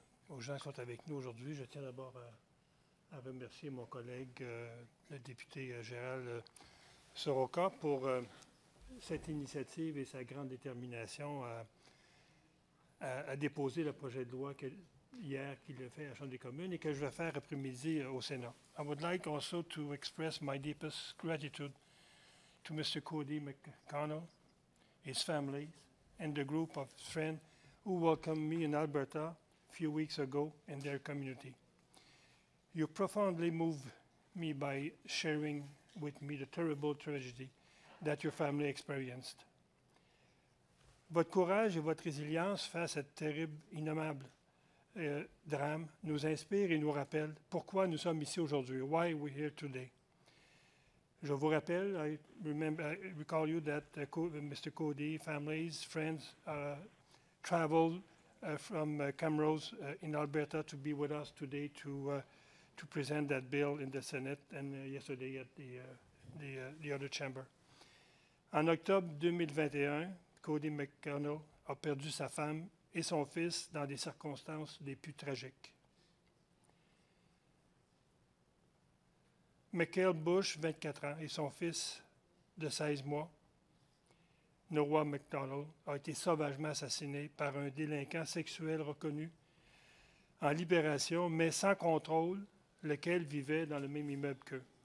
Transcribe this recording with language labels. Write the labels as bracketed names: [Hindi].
[French] Aux gens qui sont avec nous aujourd'hui, je tiens d'abord à remercier mon collègue, le député Gerald Soroka, pour cette initiative et sa grande détermination à déposer le projet de loi que, hier qui le fait à la Chambre des communes et que je vais faire après-midi au Sénat. [English] I would like also to express my deepest gratitude to Mr. Cody McConnell, his family, and the group of friends who welcomed me in Alberta a few weeks ago in their community. You profoundly moved me by sharing with me the terrible tragedy that your family experienced. [French] Votre courage et votre résilience face à cette terrible, innommable drame nous inspirent et nous rappellent pourquoi nous sommes ici aujourd'hui, [English] why we're here today. [French] Je vous rappelle, [English] I recall you that Mr. Cody, families, friends, traveled from Camrose in Alberta to be with us today to present that bill in the Senate and yesterday at the other chamber. [French] En octobre 2021, Cody McConnell a perdu sa femme et son fils dans des circonstances les plus tragiques. Mchale Busch, 24 ans, et son fils de 16 mois, Noah McDonald, a été sauvagement assassiné par un délinquant sexuel reconnu en libération, mais sans contrôle, lequel vivait dans le même immeuble qu'eux.